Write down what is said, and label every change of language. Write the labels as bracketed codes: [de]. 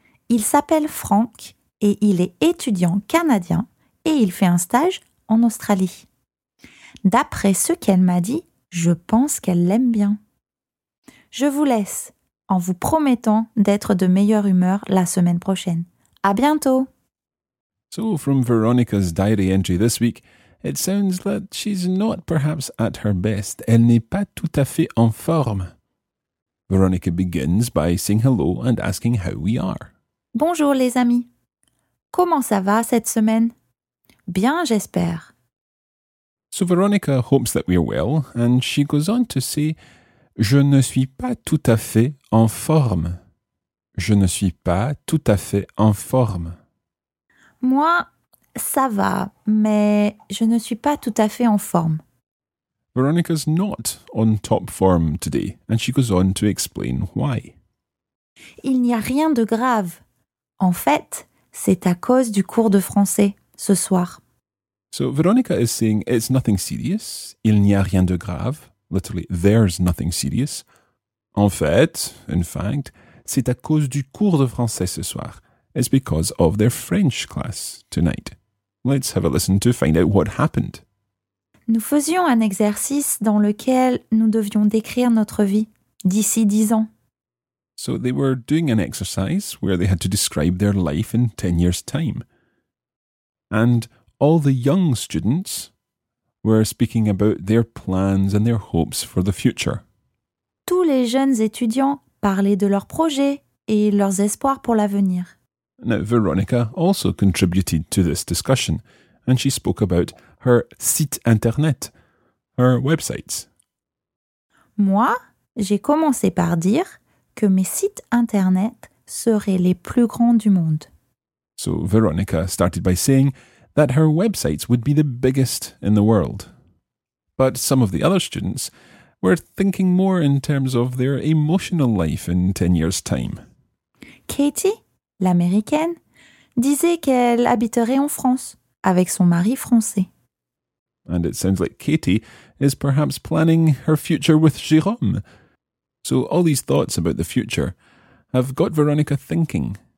[fr] Il s'appelle Frank et il est étudiant canadien et il fait un stage en Australie. D'après ce qu'elle m'a dit, je pense qu'elle l'aime bien. Je vous laisse, en vous promettant d'être de meilleure humeur la semaine prochaine. À bientôt! [en] So, from Veronica's diary entry this week, it sounds that she's not perhaps at her best. [fr] Elle n'est pas tout à fait en forme. [en] Veronica begins by saying hello and asking how we are. [fr] Bonjour les amis. Comment ça va cette semaine? Bien, j'espère. [en] So Veronica hopes that we are well and she goes on to say, [fr] je ne suis pas tout à fait en forme. Je ne suis pas tout à fait en forme. Moi... ça va, mais je ne suis pas tout à fait en forme. [en] Veronica's not on top form today, and she goes on to explain why. [fr] Il n'y a rien de grave. En fait, c'est à cause du cours de français, ce soir. [en] So Veronica is saying it's nothing serious, [fr] il n'y a rien de grave, [en] literally there's nothing serious. [fr] En fait, [en] in fact, [fr] c'est à cause du cours de français ce soir. [en] It's because of their French class tonight. Let's have a listen to find out what happened. [fr] Nous faisions un exercice dans lequel nous devions décrire notre vie d'ici 10 ans. [en] So they were doing an exercise where they had to describe their life in 10 years' time. And all the young students were speaking about their plans and their hopes for the future. [fr] Tous les jeunes étudiants parlaient de leurs projets et leurs espoirs pour l'avenir. [en] Now, Veronica also contributed to this discussion, and she spoke about her site internet, her websites. [fr] Moi, j'ai commencé par dire que mes sites internet seraient les plus grands du monde. [en] So Veronica started by saying that her websites would be the biggest in the world. But some of the other students were thinking more in terms of their emotional life in 10 years' time. [fr] Katie, l'américaine, disait qu'elle habiterait en France avec son mari français. [en] And it sounds like Katie is perhaps planning her future with Jérôme. So all these thoughts about the future have got Veronica thinking.